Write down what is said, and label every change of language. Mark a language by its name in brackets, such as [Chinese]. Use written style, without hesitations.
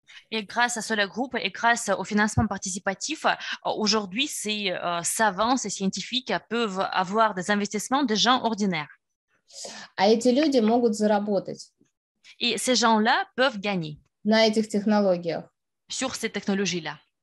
[French] Et grâce à Solar Group et grâce au financement participatif, aujourd'hui, ces savants, ces scientifiques peuvent avoir des investissements des gens ordinaires. [Russian] А эти люди могут заработать. [French] Et ces gens-là peuvent gagner. [Russian] На этих технологиях. [French] Sur ces technologies-là.